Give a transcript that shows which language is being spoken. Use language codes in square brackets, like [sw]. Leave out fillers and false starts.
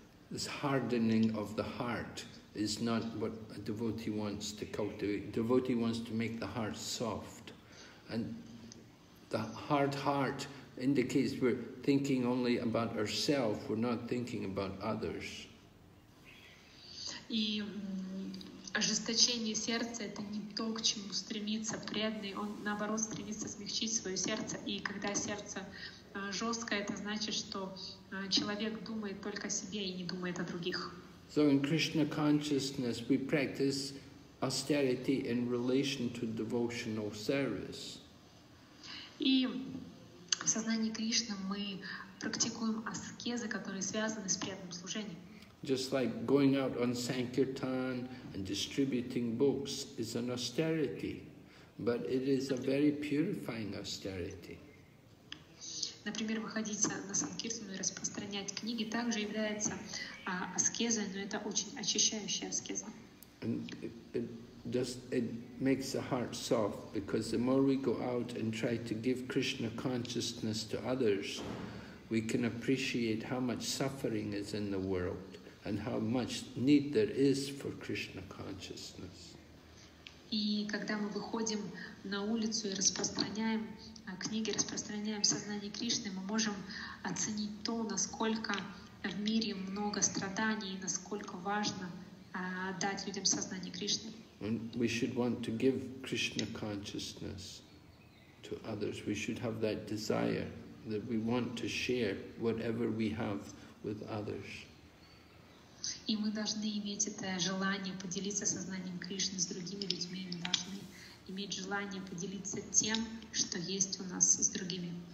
[en] This hardening of the heart is not what a devotee wants to cultivate. Devotee wants to make the heart soft. And the hard heart indicates we're thinking only about ourselves, we're not thinking about others. [ru] И ожесточение сердца — это не то, к чему стремится преданный. Он, наоборот, стремится смягчить свое сердце. И когда сердце жесткое, это значит, что человек думает только о себе и не думает о других. [en] So in Krishna consciousness we practice austerity in relation to devotional service. [ru] И в сознании Кришны мы практикуем аскезы, которые связаны с преданным служением. [en] Just like going out on Sankirtan and distributing books is an austerity, but it is a very purifying austerity. [ru] Например, выходить на Санкиртану и распространять книги также является аскезой, но это очень очищающая аскеза. [en] And it makes the heart soft, because the more we go out and try to give Krishna consciousness to others, we can appreciate how much suffering is in the world and how much need there is for Krishna consciousness. [ru] И когда мы выходим на улицу и распространяем книги, распространяем сознание Кришны, мы можем оценить то, насколько в мире много страданий и насколько важно дать людям сознание Кришны. [en] And we should want to give Krishna consciousness to others. We should have that desire that we want to share whatever we have with others. [ru] И мы должны иметь это желание поделиться сознанием Кришны с другими людьми. Мы должны иметь желание поделиться тем, что есть у нас с другими.